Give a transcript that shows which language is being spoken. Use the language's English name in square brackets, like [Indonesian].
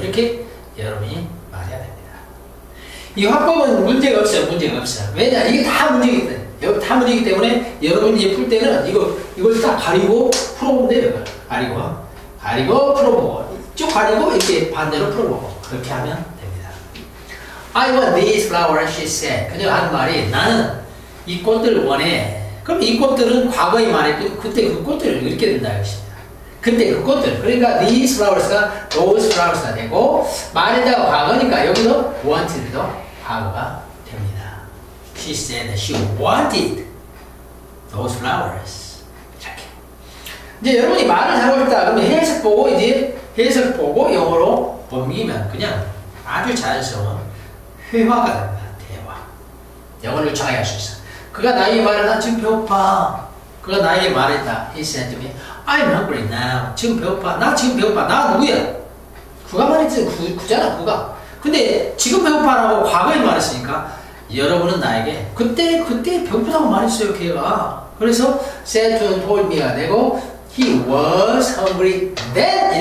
[Korean] 이렇게 여러분이 말해야 됩니다. 이 화법은 문제가 없어요. 문제가 없어요. 왜냐 이게 다 문제이기 때문에 다 문제이기 때문에 여러분이 이제 풀 때는 이걸 다 가리고 풀어보면 돼요. 가리고 풀어보고 쭉 가리고 이렇게 반대로 풀어보고 그렇게 하면 됩니다. [English] I want these flowers, she said. [Korean] 그녀가 하는 말이 나는 이 꽃들을 원해. 그럼 이 꽃들은 과거에 말했고 그때 그 꽃들을 이렇게 된다 이것입니다. 그때 그 꽃들 그러니까 these flowers가 those flowers가 되고 말했다가 과거니까 여기도 wanted도 과거가 됩니다. [English] She said that she wanted those flowers. [Korean] 이렇게 이제 여러분이 말을 잘 어렵다 그러면 해석 보고 영어로 옮기면 그냥 아주 자연스러운 회화가 됩니다. 대화 영어를 좋아할 수 있어. 그가 나에게 말했다. 지금 배고파. 그가 나에게 말했다. [English] He said to me, I'm hungry now. [Korean] 지금 배고파. 나 지금 배고파. 나 누구야? 그가 말했지. 그잖아. 그가. 근데 지금 배고파라고 과거에 말했으니까 여러분은 나에게 그때 배고프다고 말했어요. 걔가. 그래서 [English] said to told me가 되고 He was hungry then.